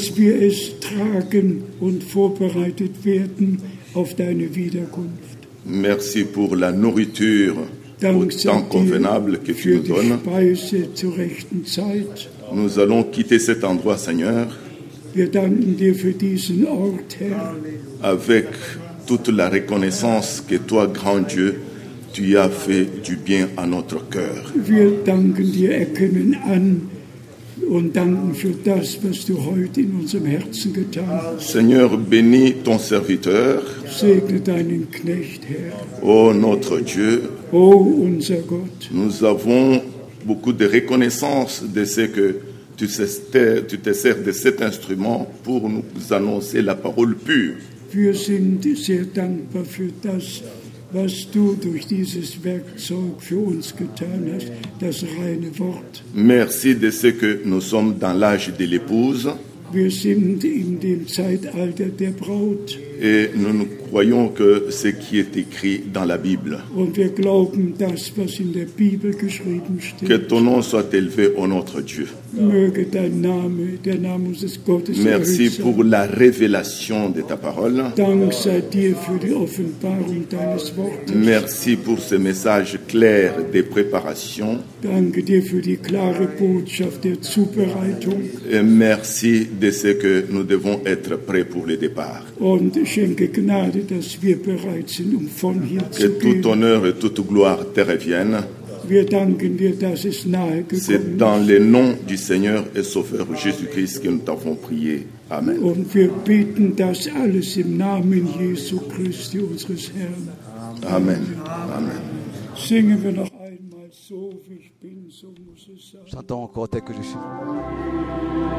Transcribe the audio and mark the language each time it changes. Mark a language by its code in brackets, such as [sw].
[de] Dass wir es tragen und vorbereitet werden auf deine Wiederkunft. [fr] Merci pour la nourriture au temps convenable que tu nous donnes. [de] Speise zur rechten Zeit. [fr] Nous allons quitter cet endroit, Seigneur. [de] Wir danken dir für diesen Ort, Herr. [fr] Avec toute la reconnaissance que toi, grand Dieu, tu y as fait du bien à notre cœur. [de] Wir danken dir, erkennen an und danken für das, was du heute in unserem Herzen getan hast. [fr] Seigneur, bénis ton serviteur. [de] Segne deinen Knecht, Herr. [fr] Ô notre Dieu. [de] Ô unser Gott. [fr] Nous avons beaucoup de reconnaissance de ce que tu te sers de cet instrument pour nous annoncer la parole pure. [de] Wir sind sehr dankbar für das, was du durch dieses Werkzeug für uns getan hast, das reine Wort. [fr] Merci de ce que nous sommes dans l'âge de l'épouse. [de] Wir sind in dem Zeitalter der Braut. [fr] Et nous ne croyons que ce qui est écrit dans la Bible. [de] Und wir glauben das, was in der Bibel geschrieben steht. [fr] Que ton nom soit élevé, ô notre Dieu. [de] Möge dein Name, der Name unseres Gottes, [fr] merci pour la révélation de ta parole. [de] Dank sei dir für die Offenbarung deines Wortes. [fr] Merci pour ce message clair des préparations. [de] Danke dir für die klare Botschaft der Zubereitung. [fr] Et merci de ce que nous devons être prêts pour le départ. [de] Und schenke Gnade, dass wir bereit sind, von hier zu gehen. [fr] Que tout honneur et toute gloire te reviennent. [de] Wir danken dir, dass es nahe gekommen ist. [fr] C'est dans le nom du Seigneur et Sauveur Jésus-Christ que nous t'avons prié. Amen. [de] Und wir beten das alles im Namen Jesu Christi, unseres Herrn. Amen. Amen. Singen wir noch einmal, so wie ich bin, so muss es sein. [fr] Chantons encore tel que je suis.